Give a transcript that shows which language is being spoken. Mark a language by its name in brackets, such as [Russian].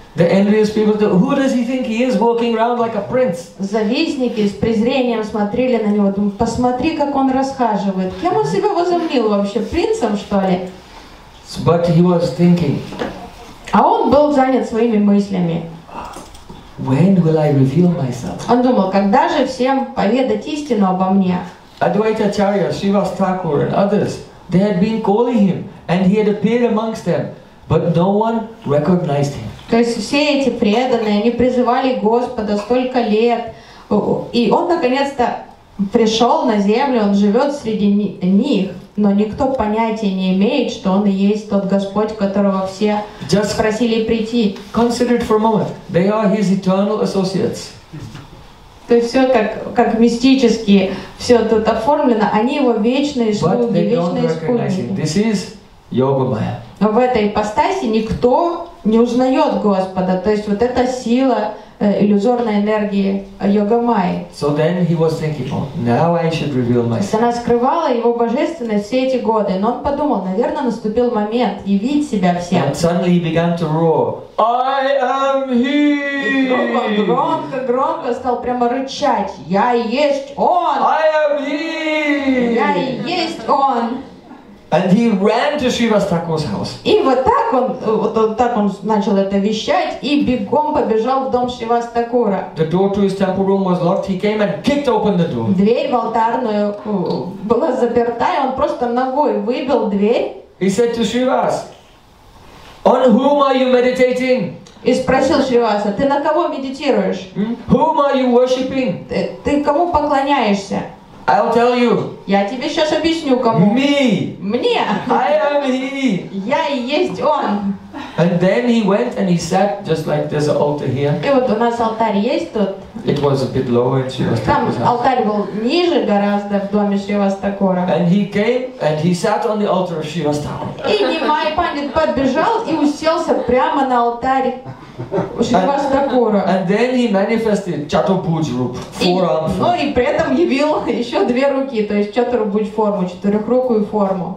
[English] The envious people said, "Who does he think he is, walking around like a prince?" [Russian] Завистники с презрением смотрели на него, думали: "Посмотри, как он расхаживает. Кем он себя возомнил вообще, принцем что ли?" [English] But he was thinking. [Russian] А он был занят своими мыслями. [English] When will I reveal myself? [Russian] Он думал: "Когда же всем поведать истину обо мне?" [English] Advaita Acharya, Srivastakur, and others. They had been calling him, and he had appeared amongst them, but no one recognized him. [Russian] То есть все эти преданные, они призывали Господа столько лет, и он наконец-то пришел на землю, он живет среди них, но никто понятия не имеет, что он и есть тот Господь, которого все [English] just [Russian] просили прийти. [English] Consider it for a moment. They are his eternal associates. [Russian] То есть все как мистически, все тут оформлено, они его вечные слуги, вечные спутники. Но в этой ипостаси никто не узнает Господа, то есть вот эта сила иллюзорной энергии Йогамайи. [English] So then he was thinking, now I should reveal myself. [Russian] Она скрывала его божественность все эти годы, но он подумал, наверное, наступил момент явить себя всем. [English] And suddenly he began to roar, I am he! [Russian] Громко стал прямо рычать, я и есть он! [English] I am he! [Russian] Я и есть он! [English] And he ran to Srivastakur's house. [Russian] И вот так он начал это вещать и бегом побежал в дом Шривастакура. [English] The door to his temple room was locked. He came and kicked open the door. [Russian] Дверь в алтарную была заперта, и он просто ногой выбил дверь. [English] He said to Shrivas, "On whom are you meditating?" [Russian] И спросил Шриваса, "Ты на кого медитируешь?" [English] "Whom are you worshipping?" [Russian] Ты кому поклоняешься? [English] I'll tell you. [Russian] Я тебе сейчас объясню, кому. [English] Me. [Russian] Мне. [English] I am he. [Russian] Я и есть он. [English] And then he went and he sat just like there's an altar here. [Russian] И вот у нас алтарь есть тут. [English] It was a bit lower in Srivastakura's [Russian] house. Там алтарь был ниже гораздо в доме Шривастакура. [English] And he came and he sat on the altar of Srivastakura. [Russian] И Нимай Пандит подбежал и уселся прямо на алтарь Шривастакура. [English] And then he manifested Chaturbhuj Rup, four arms. [Russian] Ну и при этом явил еще две руки, то есть Chaturbhuj форму, четырехрукую форму.